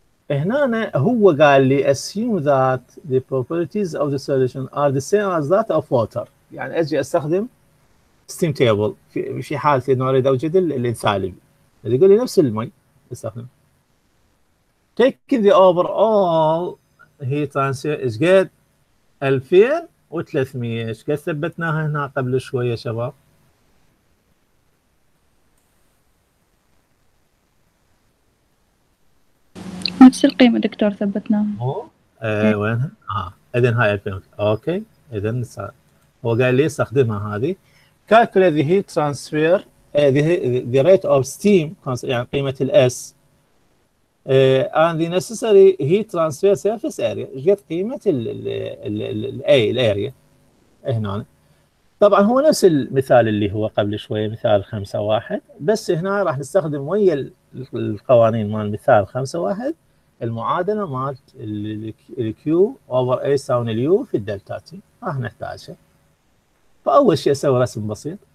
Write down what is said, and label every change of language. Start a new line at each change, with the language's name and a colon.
Arabic: هنا هو قال لي
English: assume that the properties of the solution are the same as that of water.
Arabic: يعني اجي استخدم ستيم تيبل في حالة انه اريد اوجد الانسالب، يقول لي نفس المي استخدم.
English: Taking the overall heat transfer is good 2300.
Arabic: ايش قد ثبتناها هنا قبل شوية يا شباب؟ نفس القيمة دكتور ثبتناها. وينها؟ اذا هاي 2000. اوكي، اذا هو قال لي استخدمها هذه.
English: Calculate the heat transfer, the rate of steam,
Arabic: يعني قيمة الـ S,
English: and the necessary heat transfer surface area.
Arabic: ايش قد قيمة الـ A, الـ area هنا؟ طبعا هو نفس المثال اللي هو قبل شوية، مثال 5.1، بس هنا راح نستخدم ويا القوانين مال مثال 5.1 المعادلة مال الـ
English: Q over A
Arabic: ساون الـ U في الدلتا T راح نحتاجها. فأول شيء أسوي رسم بسيط،